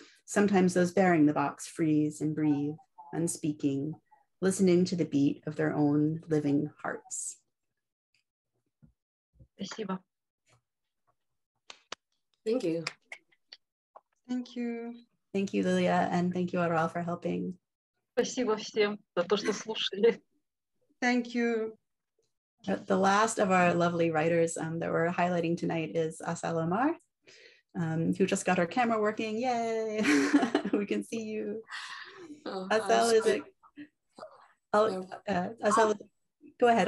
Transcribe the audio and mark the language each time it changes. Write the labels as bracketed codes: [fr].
[en] Sometimes those bearing the box freeze and breathe, unspeaking, listening to the beat of their own living hearts. [ru] Спасибо. [en] Thank you. Thank you. Thank you, Lilya, and thank you, Aral, for helping. [ru] Спасибо всем за то, что слушали. [en] Thank you. The last of our lovely writers that we're highlighting tonight is Asel Omar, who just got her camera working. Yay! We can see you. Go ahead.